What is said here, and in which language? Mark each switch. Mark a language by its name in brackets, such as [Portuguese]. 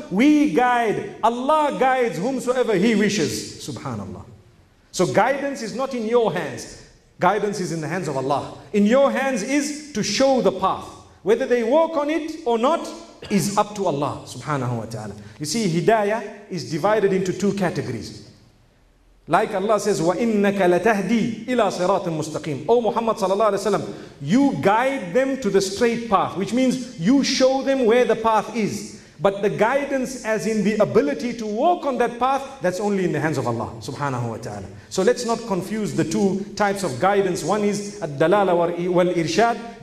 [English] We guide, Allah guides whomsoever He wishes. Subhanallah. So guidance is not in your hands. Guidance is in the hands of Allah. In your hands is to show the path. Whether they walk on it or not is up to Allah subhanahu wa ta'ala. You see, hidayah is divided into two categories. Like Allah says, [Arabic] وَإِنَّكَ لَتَهْدِي إِلَىٰ صِرَاطٍ مُسْتَقِيمٍ. [English] O Muhammad sallallahu alayhi wa sallam, you guide them to the straight path, which means you show them where the path is. But the guidance, as in the ability to walk on that path, that's only in the hands of Allah subhanahu wa ta'ala. So let's not confuse the two types of guidance. One is [Arabic] الدلالة والإرشاد.